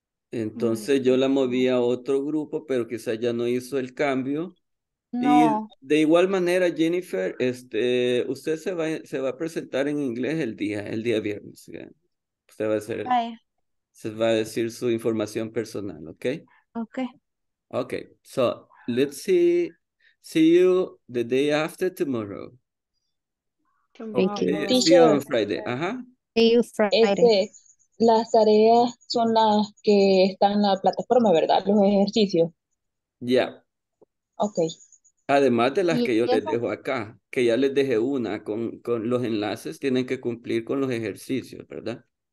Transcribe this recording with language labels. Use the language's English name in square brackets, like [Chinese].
[Spanish] Entonces yo la moví a otro grupo, pero quizás ya no hizo el cambio. No. Y de igual manera, Jennifer, usted se va a presentar en inglés el día viernes. ¿Ya? Usted va a ser... Se va a decir su información personal, ¿ok? Ok. [English] Ok, so, let's see you the day after tomorrow. Thank you. See you on Friday. See you Friday. [Spanish] Las tareas son las que están en la plataforma, ¿verdad? Los ejercicios. [English] Yeah. Ok. [Spanish] Además de las que yo les dejo acá, que ya les dejé una con los enlaces, tienen que cumplir con los ejercicios, ¿verdad?